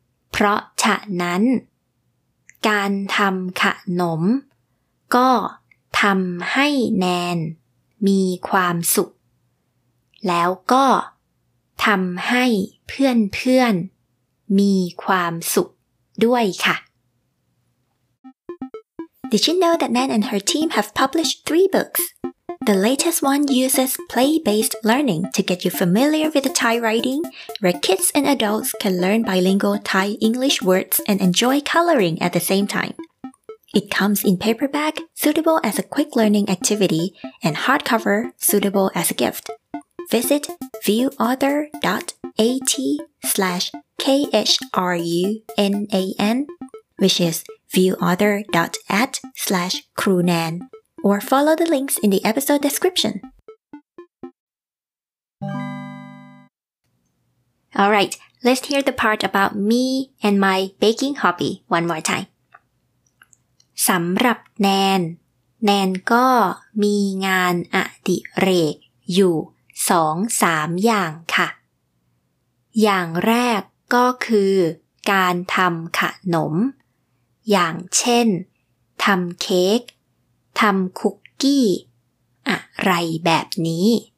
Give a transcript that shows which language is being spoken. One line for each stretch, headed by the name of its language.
Thai: เพราะฉะนั้นการทำขนมก็ทำให้แนนมีความสุขแล้วก็ทำให้เพื่อนๆมีความสุขด้วยค่ะ
English: Did you know that Nan and her team have published 3 books? The latest one uses play-based learning to get you familiar with the Thai writing, where kids and adults can learn bilingual Thai English words and enjoy coloring at the same time. It comes in paperback, suitable as a quick learning activity, and hardcover, suitable as a gift. Visit viewauthor.at/krunan, which is viewauthor.at/krunan, or follow the links in the episode description. All right, let's hear the part about me and my baking hobby one more time.
Thai: สำหรับแนนแนนก็มีงานอดิเรกอยู่ 2-3 อย่างค่ะอย่างแรกก็คือการทำขนมอย่างเช่นทำเค้กทำคุกกี้อะไรแบบนี้